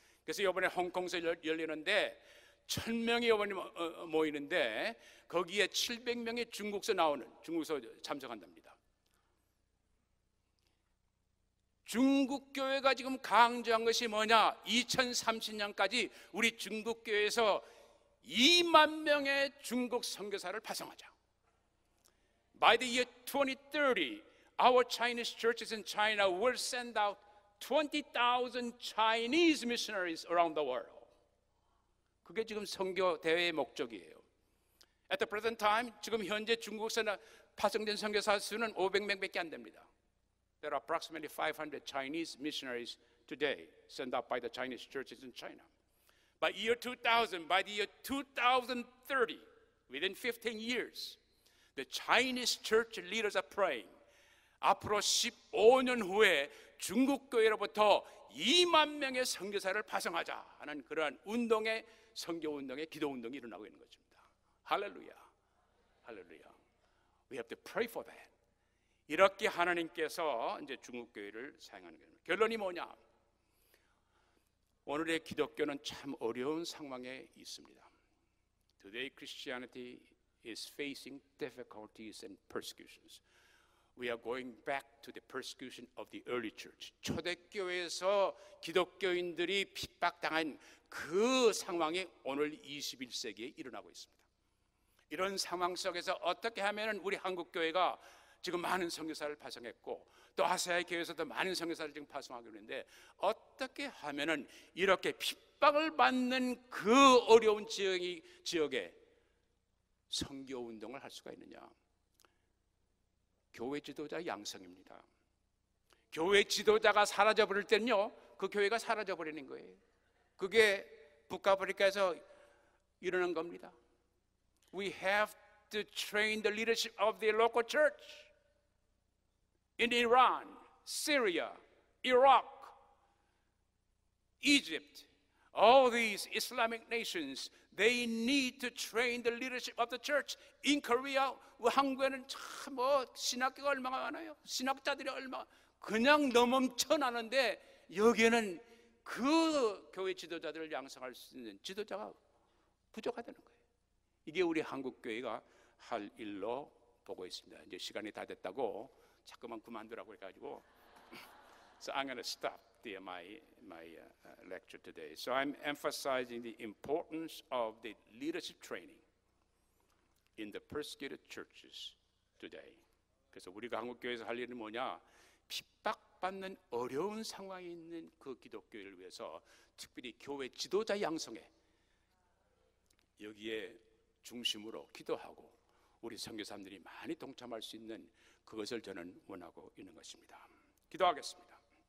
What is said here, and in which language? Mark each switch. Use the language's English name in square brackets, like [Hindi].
[Korean] 그래서 이번에 홍콩에서 열리는데 1,000명이 이번에 모이는데 거기에 700명이 중국서 나오는 중국서 참석한답니다. 중국 교회가 지금 강조한 것이 뭐냐? 2030년까지 우리 중국 교회에서 2만 명의 중국 선교사를 파송하자. [English] By the year 2030, our Chinese churches in China will send out 20,000 Chinese missionaries around the world. [Korean] 그게 지금 선교 대회의 목적이에요. [English] At the present time, [Korean] 지금 현재 중국에서 파송된 선교사 수는 500명밖에 안 됩니다. [English] There are approximately 500 Chinese missionaries today sent out by the Chinese churches in China. By year 2000, by the year 2030, within 15 years, the Chinese church leaders are praying. [Korean] 앞으로 15년 후에 중국 교회로부터 2만 명의 선교사를 파송하자 하는 그러한 운동의 선교 운동의 기도 운동이 일어나고 있는 거죠. 할렐루야, 할렐루야. [English] We have to pray for that. [Korean] 이렇게 하나님께서 이제 중국 교회를 사용하는 겁니다. 결론이 뭐냐? 오늘의 기독교는 참 어려운 상황에 있습니다. [English] Today Christianity is facing difficulties and persecutions. We are going back to the persecution of the early church. [Korean] 초대교회에서 기독교인들이 핍박당한 그 상황이 오늘 21세기에 일어나고 있습니다. 이런 상황 속에서 어떻게 하면 우리 한국교회가 지금 많은 선교사를 파송했고 또 아세아의 교회에서도 많은 선교사를 지금 파송하고 있는데 어떻게 하면은 이렇게 핍박을 받는 그 어려운 지역에 선교 운동을 할 수가 있느냐? 교회 지도자 양성입니다. 교회 지도자가 사라져 버릴 때는요, 그 교회가 사라져 버리는 거예요. 그게 북아프리카에서 일어난 겁니다. [English] We have to train the leadership of the local church. In Iran, Syria, Iraq, Egypt, all these Islamic nations, they need to train the leadership of the church. In Korea, [Korean] 한국에는 참 뭐 신학교가 얼마나 많아요. 신학자들이 얼마나 그냥 넘쳐나는데 여기에는 그 교회 지도자들을 양성할 수 있는 지도자가 부족하다는 거예요. 이게 우리 한국 교회가 할 일로 보고 있습니다. 이제 시간이 다 됐다고 자꾸만 그만두라고 해가지고 [English] So I'm going to stop my lecture today. So I'm emphasizing the importance of the leadership training in the persecuted churches today. [Korean] 그래서 우리가 한국교회에서 할 일은 뭐냐? 핍박받는 어려운 상황에 있는 그 기독교회를 위해서 특별히 교회 지도자 양성에 여기에 중심으로 기도하고 우리 선교사님들이 많이 동참할 수 있는 그것을 저는 원하고 있는 것입니다. 기도하겠습니다.